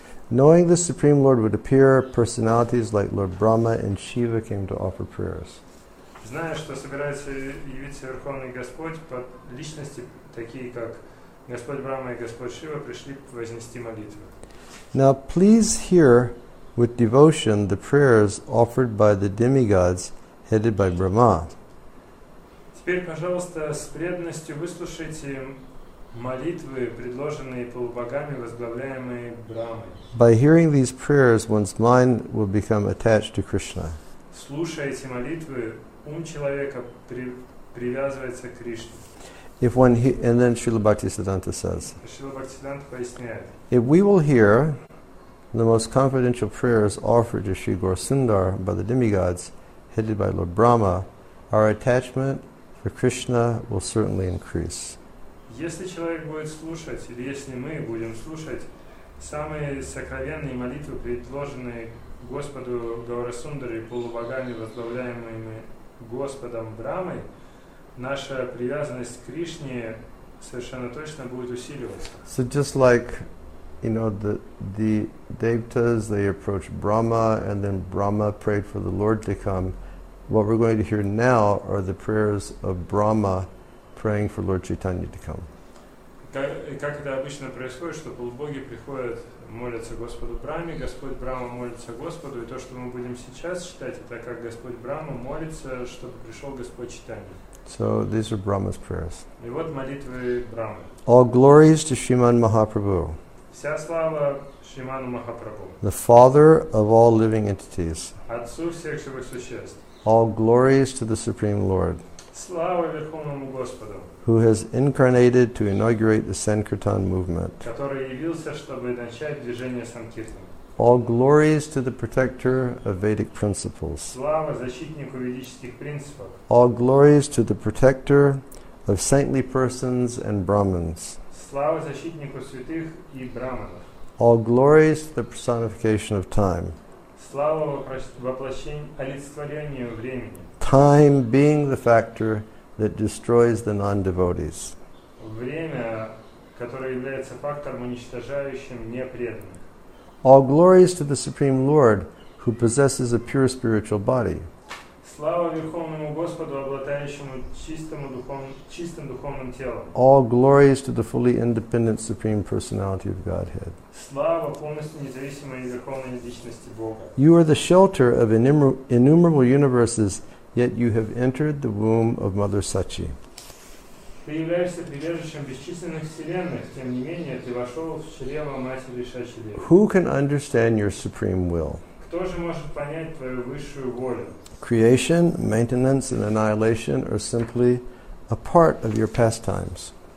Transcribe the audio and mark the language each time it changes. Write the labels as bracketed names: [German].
[English] Knowing the Supreme Lord would appear, personalities like Lord Brahma and Shiva came to offer prayers. [Russian] Зная, что собирается явиться Верховный Господь, под личности, такие как Господь Брама и Господь Шива, пришли вознести молитвы. [English] Now please hear with devotion the prayers offered by the demigods headed by Brahma. [Russian] Теперь, пожалуйста, с преданностью выслушайте молитвы, предложенные полубогами, возглавляемые Брамой. [English] By hearing these prayers, one's mind will become attached to Krishna. [Russian] Слушая эти молитвы, ум человека привязывается к Кришне. [English] If one and then Srila Bhaktisiddhanta says, [Russian] Srila Bhaktisiddhanta поясняет, [English] if we will hear the most confidential prayers offered to Sri Gaurasundar by the demigods, headed by Lord Brahma, our attachment for Krishna will certainly increase. [Russian] Если человек будет слушать, или если мы будем слушать самые сокровенные молитвы, предложенные Господу Гаурасундаре и полубогами, возглавляемыми Господом Брамой, наша привязанность к Кришне совершенно точно будет усиливаться. [English] So just like, you know, the devtas, they approach Brahma, and then Brahma prayed for the Lord to come. What we're going to hear now are the prayers of Brahma praying for Lord Chaitanya to come. [Russian] Как это обычно происходит, что полубоги приходят, молятся Господу Браме, Господь Брама молится Господу, и то, что мы будем сейчас читать, это как Господь Брама молится, чтобы пришел Господь Чайтанья. [English] So these are Brahma's prayers. [Russian] И вот молитвы Брамы. [English] All glories to Sriman Mahaprabhu. [Russian] Вся слава Шриману Махапрабху. [English] The father of all living entities. [Russian] Отцу всех живых существ. [English] All glories to the Supreme Lord. [Russian] Слава Верховному Господу. [English] Who has incarnated to inaugurate the Sankirtan movement. [Russian] Который явился, чтобы начать движение Санкиртан. [English] All glories to the protector of Vedic principles. [Russian] Слава защитнику ведических принципов. [English] All glories to the protector of saintly persons and Brahmins. [Russian] Слава защитнику святых и Брахманов. [English] All glories to the personification of time. [Russian] Слава олицетворению времени. [English] Time being the factor that destroys the non-devotees. [Russian] Время, которое является фактором, уничтожающим непреданных. [English] All glories to the Supreme Lord, who possesses a pure spiritual body. [Russian] Слава Верховному Господу, обладающему чистым духовным телом. [English] All glories to the fully independent Supreme Personality of Godhead. [Russian] Слава полностью независимой Верховной Личности Бога. [English] You are the shelter of innumerable universes, yet you have entered the womb of Mother Sachi. [Russian] Ты являешься прибежищем бесчисленных вселенных, тем не менее ты вошел в чрево Матери Шачи. [English] Who can understand your supreme will? [Russian] Кто же может понять твою высшую волю? [English] Creation, maintenance, and annihilation are simply a part of your pastimes.